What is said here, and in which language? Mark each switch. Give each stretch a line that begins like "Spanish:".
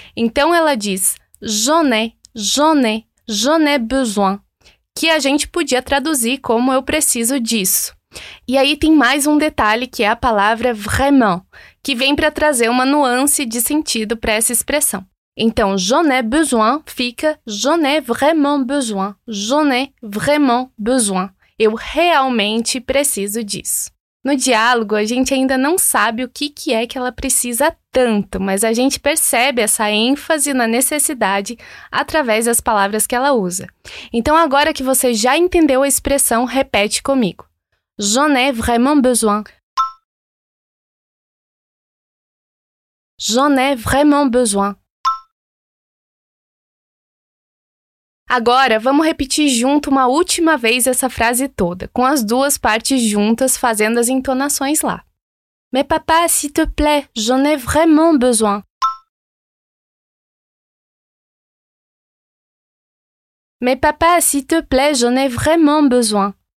Portuguese: Então, ela diz
French: j'en ai, j'en ai, j'en ai besoin,
Portuguese: que a gente podia traduzir como eu preciso disso. E aí tem mais um detalhe, que é a palavra vraiment, que vem para trazer uma nuance de sentido para essa expressão. Então,
French: j'en ai besoin
Portuguese: fica
French: j'en ai vraiment besoin, j'en ai vraiment besoin.
Portuguese: Eu realmente preciso disso. No diálogo, a gente ainda não sabe o que é que ela precisa tanto, mas a gente percebe essa ênfase na necessidade através das palavras que ela usa. Então, agora que você já entendeu a expressão, repete comigo.
French: J'en ai vraiment besoin. J'en ai vraiment besoin.
Portuguese: Agora, vamos repetir junto uma última vez essa frase toda, com as duas partes juntas, fazendo as entonações lá.
French: Mais papa, s'il te plaît, j'en ai vraiment besoin. Mais papa, s'il te plaît, j'en ai vraiment besoin.